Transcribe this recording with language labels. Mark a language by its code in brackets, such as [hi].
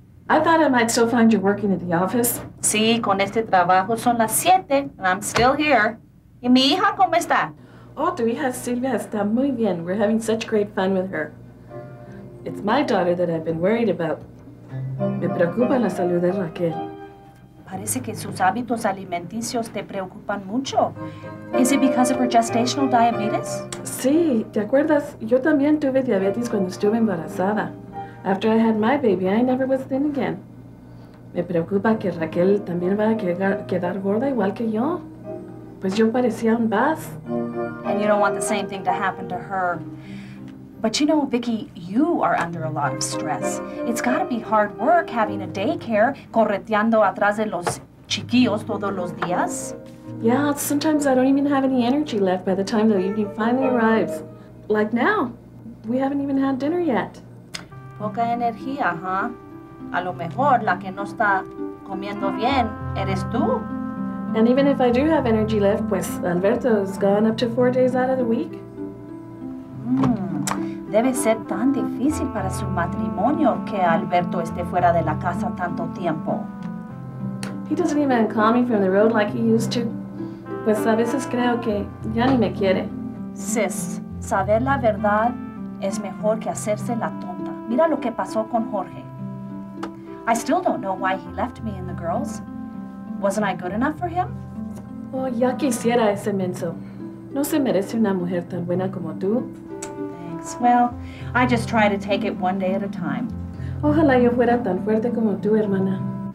[en] I thought I might still find you working at the office. [es] Sí, con este trabajo son las siete, [en] and I'm still here. [es] ¿Y mi hija cómo está? [en] Oh, [es] tu hija Silvia está muy bien. [en] We're having such great fun with her. It's my daughter that I've been worried about. [es] Me preocupa la salud de Raquel. Parece que sus hábitos alimenticios te preocupan mucho. [en] Is it because of her gestational diabetes? [es] Sí, ¿te acuerdas? Yo también tuve diabetes cuando estuve embarazada. [en] After I had my baby, I never was thin again. [es] Me preocupa que Raquel también va a quedar gorda igual que yo. Pues yo parecía un bus. [en] And you don't want the same thing to happen to her. But you know, Vicky, you are under a lot of stress. It's got to be hard work having a daycare, [es] correteando atrás de los chiquillos todos los días. [en] Yeah, sometimes I don't even have any energy left by the time the evening finally arrives. Like now, we haven't even had dinner yet. [es] Poca energía, huh? A lo mejor la que no está comiendo bien eres tú. [en] And even if I do have energy left, pues Alberto's gone up to 4 days out of the week. [es] Debe ser tan difícil para su matrimonio que Alberto esté fuera de la casa tanto tiempo. [en] He doesn't even call me from the road like he used to. [es] Pues a veces creo que ya ni me quiere. Sis, saber la verdad es mejor que hacerse la tonta. Mira lo que pasó con Jorge. [en] I still don't know why he left me and the girls. Wasn't I good enough for him? [es] Oh, ya quisiera ese menso. No se merece una mujer tan buena como tú. [en] Thanks. Well, I just try to take it one day at a time. [es] Ojalá yo fuera tan fuerte como tú, hermana.